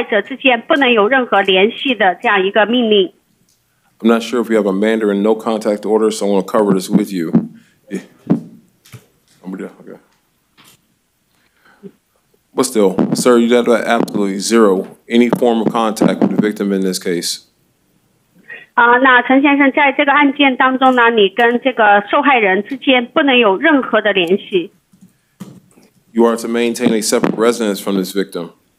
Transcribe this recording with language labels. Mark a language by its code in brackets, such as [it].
[zh] 陈先生，我同时呢也会下达说你跟受害者之间不能有任何联系的这样一个命令。 [en] I'm not sure if you have a Mandarin no contact order, so I want to cover this with you. Yeah. Okay. But still, sir, you have absolutely zero any form of contact with the victim in this case. [zh] 那陈先生在这个案件当中呢，你跟这个受害人之间不能有任何的联系。 [en] You are to maintain a separate residence from this victim.